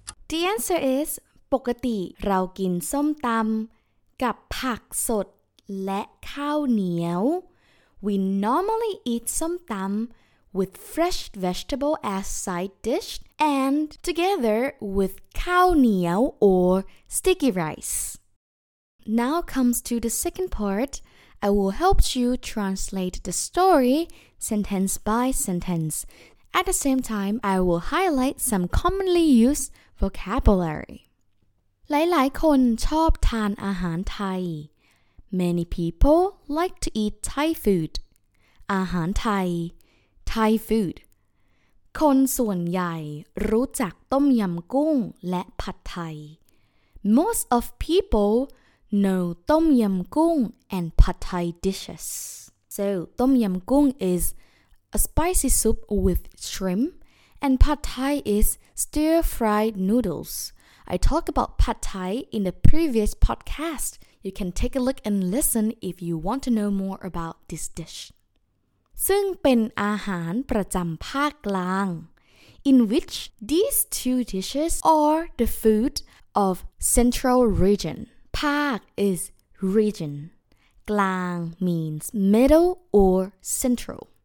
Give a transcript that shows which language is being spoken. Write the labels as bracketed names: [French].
[English] The answer is [Thai] ปกติเรากินส้มตำกับผักสดและข้าวเหนียว [English] We normally eat ส้มตำ with fresh vegetable as side dish and together with ข้าวเหนียว or sticky rice. Now comes to the second part. I will help you translate the story sentence by sentence. At the same time, I will highlight some commonly used vocabulary. [Thai] หลายๆคนชอบทานอาหารไทย [English] Many people like to eat Thai food. อาหารไทย Thai food. [Thai] คนส่วนใหญ่รู้จักต้มยำกุ้งและผัดไทย [English] Most of people know ต้มยำกุ้ง and Pad Thai dishes. So, ต้มยำกุ้ง is a spicy soup with shrimp. And Pad Thai is stir-fried noodles. I talked about Pad Thai in the previous podcast. You can take a look and listen if you want to know more about this dish. [Thai] ซึ่งเป็นอาหารประจำภาคกลาง [English] in which these two dishes are the food of central region. ภาค is region. กลาง means middle or central.